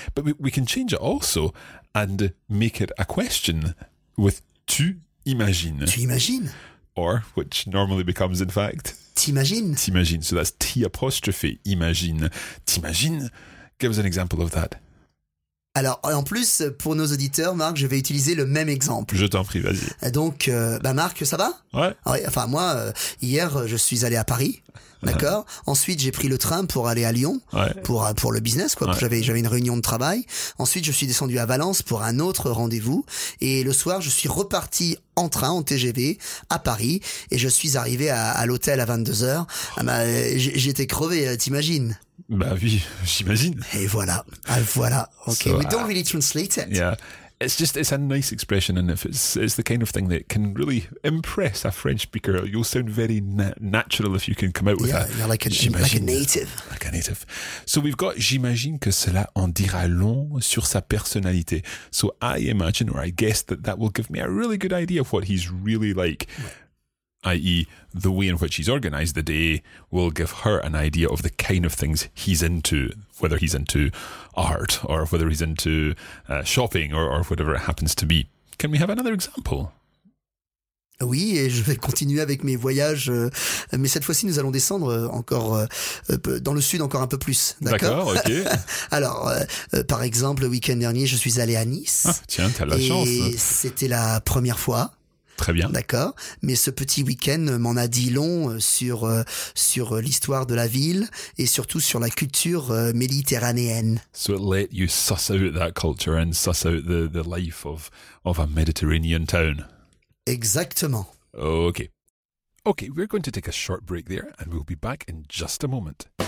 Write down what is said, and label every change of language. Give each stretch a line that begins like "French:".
English: But we can change it also and make it a question with
French: tu imagines. Tu imagines.
English: Or, which normally becomes, in fact,
French: t'imagines. T'imagines.
English: So that's T apostrophe, imagine. T'imagines. Give us an example of that.
French: Alors, en plus, pour nos auditeurs, Marc, je vais utiliser le même exemple. Je t'en prie, vas-y. Donc, Marc, ça va? Ouais. Enfin, moi, hier, je suis allé à Paris, d'accord? Uh-huh. Ensuite, j'ai pris le train pour aller à Lyon, ouais. pour le business, quoi. Ouais. J'avais une réunion de travail. Ensuite, je suis descendu à Valence pour un autre rendez-vous. Et le soir, je suis reparti en train, en TGV, à Paris. Et je suis arrivé à l'hôtel à 22h. Oh. Ah, bah, j'étais crevé, t'imagines? Bah oui, j'imagine. Et voilà, ah, voilà.
English: Okay, so, we don't really translate it. Yeah, it's a nice expression, and if it's the kind of thing that can really impress a French speaker, you'll sound very natural if you can come out with that. Yeah, you're like a native. So we've got
French: j'imagine que cela en dira long sur sa personnalité.
English: So I imagine, or I guess, that will give me a really good idea of what he's really like. Mm. i.e. the way in which he's organized the day will give her an idea of the kind of things he's into, whether he's into art or whether he's into shopping or whatever it happens to be. Can we have another example?
French: Oui, et je vais continuer avec mes voyages, mais cette fois-ci nous allons descendre encore dans le sud, encore un peu plus, d'accord? D'accord, ok. Alors, par exemple, le week-end dernier, je suis allé à Nice. Ah, tiens, t'as la chance. Et c'était la première fois. Très bien. D'accord. Mais ce petit week-end m'en a dit long sur l'histoire de la ville et surtout sur la culture méditerranéenne.
English: So it let you suss out that culture and suss out the life of a Mediterranean town.
French: Exactement.
English: Okay. Okay, we're going to take a short break there and we'll be back in just a moment.